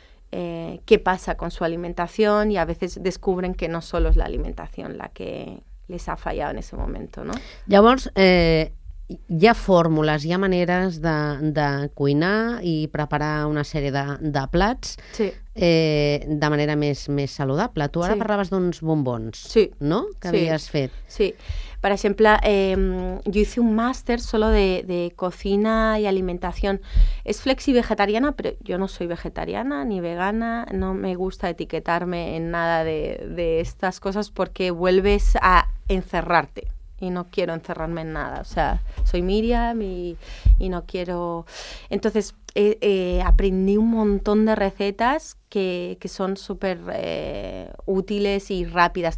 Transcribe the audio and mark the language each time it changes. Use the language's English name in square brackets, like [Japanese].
[Spanish] qué pasa con su alimentación, y a veces descubren que no solo es la alimentación la que les ha fallado en ese momento, ¿no? [Catalan] Llavors, hi ha fórmules, hi ha maneres de cuinar i preparar una sèrie de plats, sí, de manera més saludable. Tu ara, sí, parlaves d'uns bombons, sí, no? Que havies, sí, fet. Sí. Per exemple, jo [Spanish] hice un màster solo de cocina i alimentació. [Catalan] És flexi-vegetariana, però jo [Spanish] no soy vegetariana ni vegana. No me gusta etiquetarme en nada de estas cosas porque vuelves a encerrarte. Y no quiero encerrarme en nada. O sea, soy Miriam y no quiero... Entonces, aprendí un montón de recetas que son súper útiles y rápidas.